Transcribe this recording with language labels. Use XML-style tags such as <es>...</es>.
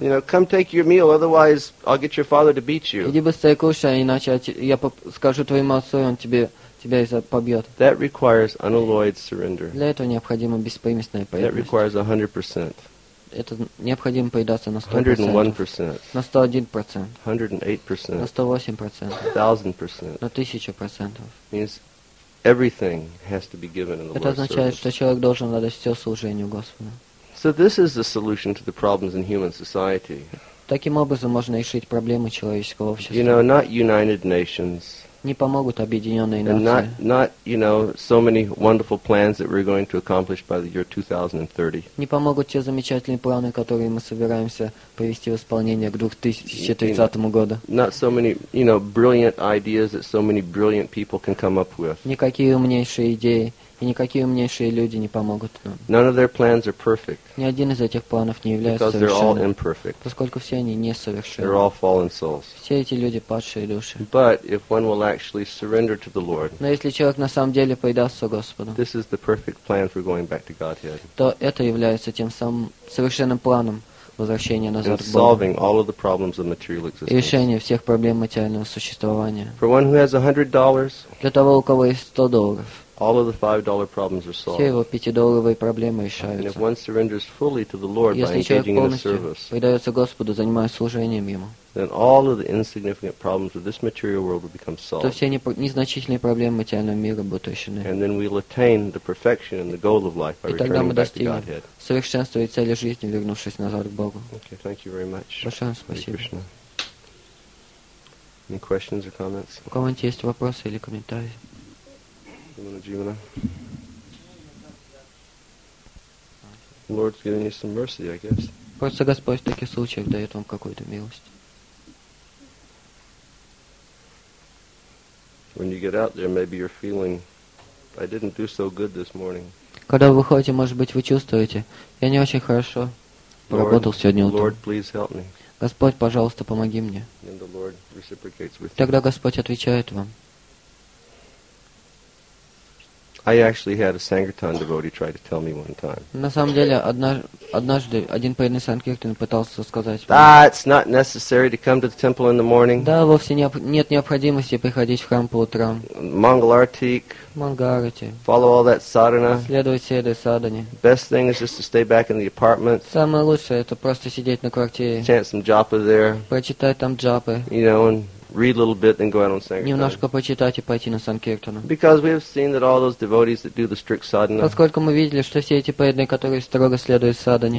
<en>you know, come take your meal, otherwise I'll get your father to beat you.</en> <ru>Иди быстрее кушай, иначе я скажу твоему отцу, он тебе тебя это побьет.</ru> <en>That requires unalloyed surrender.</en> <ru>Для этого необходима беспримесная преданность.</ru> <en>That requires 100%.</en> <ru>Это необходимо предаться на 100%.</ru> <en>101%.</en> <ru>101%.</ru> <en>108%. 1000%.</en> <ru>На 1000%.</ru> <en>Means everything has to be given in the Lord's service.</en> <ru>Это означает, что человек должен отдать все служению Господу.</ru> <en>So this is the solution to the problems in human society.</en> <ru>Таким образом можно решить проблемы человеческого общества.</ru> <en>You know, not United Nations.</en> <ru>Не помогут Объединенные Нации.</ru> <en>Not, you know, so many wonderful plans that we're going to accomplish by the year 2030.</en> <ru>Не помогут те замечательные планы, которые мы собираемся привести в исполнение к 2030 году.</ru> <en>Not so many, you know, brilliant ideas that so many brilliant people can come up with.</en> <ru>Никакие умнейшие идеи и никакие умнейшие люди не помогут нам.</ru> <en>None of their plans are perfect.</en> <ru>Ни один из этих планов не является совершенным.</ru> <en>Because they're all imperfect.</en> <ru>Поскольку все они несовершенны.</ru> <en>They're all fallen souls.</en> <ru>Все эти люди падшие души.</ru> <en>But if one will actually surrender to the Lord.</en> <ru>Но если человек на самом деле предастся Господу.</ru> <en>This is the perfect plan for going back to Godhead.</en> <ru>То это является тем самым совершенным планом возвращения назад к Богу.</ru> <en>And solving all of the problems of material existence.</en> <ru>И решение всех проблем материального существования.</ru> <en>For one who has $100.</en> <ru>Для того, у кого есть $100.</ru> <en>All of the $5 problems are solved.</en> <ru>Все его $5 проблемы решаются.</ru> <en>And if one surrenders fully to the Lord</en> <ru>если</ru> <en>by engaging in a service,</en> <ru>предается Господу, занимаясь служением ему,</ru> <en>then all of the insignificant problems of this material world will become solved.</en> <ru>То все незначительные проблемы материального мира будут решены.</ru> <en>And then we'll attain the perfection and the goal of life by returning back to Godhead.</en> <ru>И тогда мы достигнем совершенства и цели жизни, вернувшись назад к Богу.</ru> <en>Okay, thank you very much.</en> <ru>Большое спасибо.</ru> <en>Any questions or comments?</en> <ru>У кого-нибудь есть вопросы или комментарии?</ru> <en>Lord's giving you some mercy, I guess.</en> <ru>Просто Господь в таких случаях дает вам какую-то милость.</ru> <en>When you get out there, maybe you're feeling, I didn't do so good this morning.</en> <ru>Когда вы выходите, может быть, вы чувствуете, я не очень хорошо поработал сегодня утром.</ru> <en>Lord, please help me.</en> <ru>Господь, пожалуйста, помоги мне.</ru> <en>And the Lord reciprocates with you.</en> <ru>Тогда Господь отвечает вам.</ru> <en>I actually had a Sankirtan devotee try to tell me one time.</en> <ru>На самом деле, однажды один преданный Санкиртан пытался сказать.</ru> <en>That's not necessary to come to the temple in the morning.</en> <ru>Да, вовсе нет необходимости приходить в храм по утрам.</ru> <en>Mangalartik.</en> <ru>Mangalarti.</ru> <en>Follow all that sadhana.</en> <ru>Следовать всей этой садхане.</ru> <en>Best thing is just to stay back in the apartment.</en> <ru>Самое лучшее это просто сидеть на квартире.</ru> <en>Chant some japa there.</en> <ru>Прочитать там джапы.</ru> <en>You know, and read a little bit, then go out on sankirtana.</en> <ru>Немножко почитать и пойти на санкиртану.</ru> <en>Because we have seen that all those devotees that do the strict sadhana.</en> <ru>Поскольку мы видели, что все эти преданные, которые строго следуют садхане.</ru>